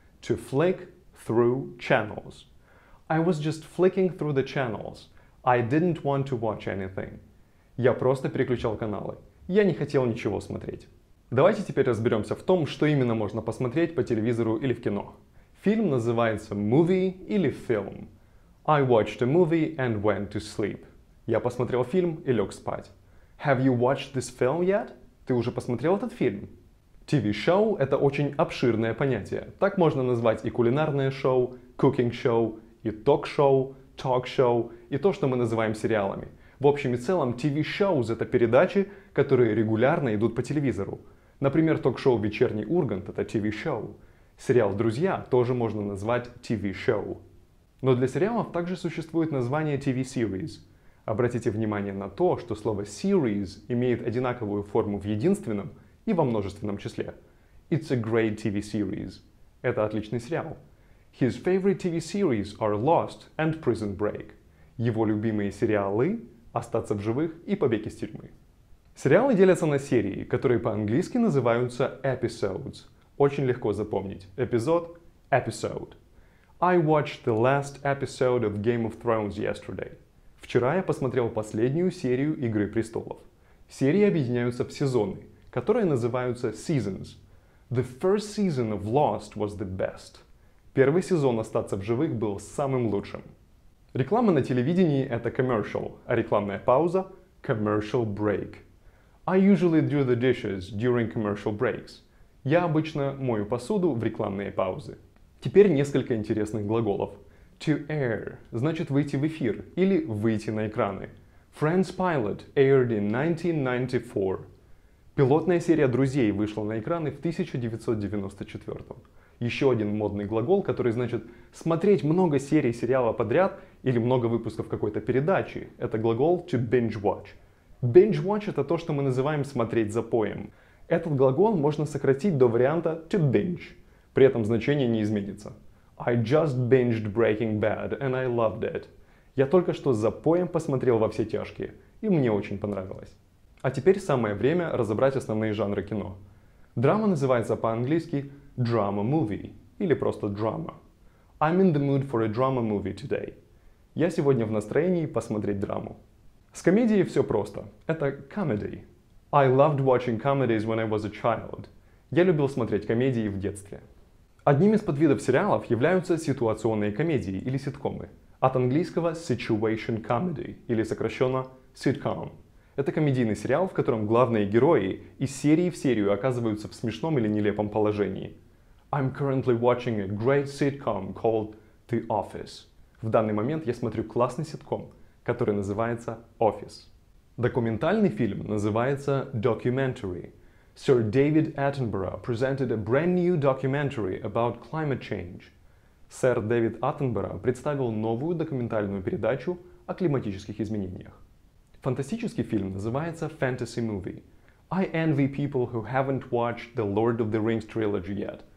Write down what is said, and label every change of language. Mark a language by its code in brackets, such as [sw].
[en] To flick through channels. I was just flicking through the channels. I didn't want to watch anything. [ru] Я просто переключал каналы. Я не хотел ничего смотреть. Давайте теперь разберемся в том, что именно можно посмотреть по телевизору или в кино. Фильм называется movie или film. [en] I watched a movie and went to sleep. [ru] Я посмотрел фильм и лег спать. [en] Have you watched this film yet? [ru] Ты уже посмотрел этот фильм? TV-шоу — это очень обширное понятие. Так можно назвать и кулинарное шоу, cooking show, и ток-шоу, talk-шоу, и то, что мы называем сериалами. В общем и целом, TV-шоус — это передачи, которые регулярно идут по телевизору. Например, ток-шоу «Вечерний Ургант» — это TV-шоу. Сериал «Друзья» тоже можно назвать TV-шоу. Но для сериалов также существует название TV-series. Обратите внимание на то, что слово «series» имеет одинаковую форму в единственном и во множественном числе. [en] It's a great TV series. [ru] Это отличный сериал. [en] His favorite TV series are Lost and Prison Break. [ru] Его любимые сериалы — «Остаться в живых» и «Побег из тюрьмы». Сериалы делятся на серии, которые по-английски называются episodes. Очень легко запомнить. Эпизод — episode. [en] I watched the last episode of Game of Thrones yesterday. [ru] Вчера я посмотрел последнюю серию «Игры престолов». Серии объединяются в сезоны, которые называются seasons. [en] The first season of Lost was the best. [ru] Первый сезон «Остаться в живых» был самым лучшим. Реклама на телевидении — это commercial, а рекламная пауза — commercial break. [en] I usually do the dishes during commercial breaks. [ru] Я обычно мою посуду в рекламные паузы. Теперь несколько интересных глаголов. To air – значит выйти в эфир или выйти на экраны. [en] Friends Pilot aired in 1994. [ru] Пилотная серия «Друзей» вышла на экраны в 1994. Еще один модный глагол, который значит смотреть много серий сериала подряд или много выпусков какой-то передачи – это глагол to binge watch. Binge watch – это то, что мы называем «смотреть запоем». Этот глагол можно сократить до варианта to binge. При этом значение не изменится. [en] I just binged Breaking Bad and I loved it. [ru] Я только что запоем посмотрел во все тяжкие, и мне очень понравилось. А теперь самое время разобрать основные жанры кино. Драма называется по-английски drama movie или просто drama. [en] I'm in the mood for a drama movie today. [ru] Я сегодня в настроении посмотреть драму. С комедией все просто. Это comedy. [en] I loved watching comedies when I was a child. [ru] Я любил смотреть комедии в детстве. Одним из подвидов сериалов являются ситуационные комедии или ситкомы. От английского situation comedy, или сокращенно sitcom. Это комедийный сериал, в котором главные герои из серии в серию оказываются в смешном или нелепом положении. [en] I'm currently watching a great sitcom called The Office. [ru] В данный момент я смотрю классный ситком, который называется Office. Документальный фильм называется [en] Documentary. Sir David Attenborough presented a brand new documentary about climate change. [ru] Сэр Дэвид Аттенборо представил новую документальную передачу о климатических изменениях. Фантастический фильм называется Fantasy Movie. [en] I envy people who haven't watched the Lord of the Rings trilogy yet.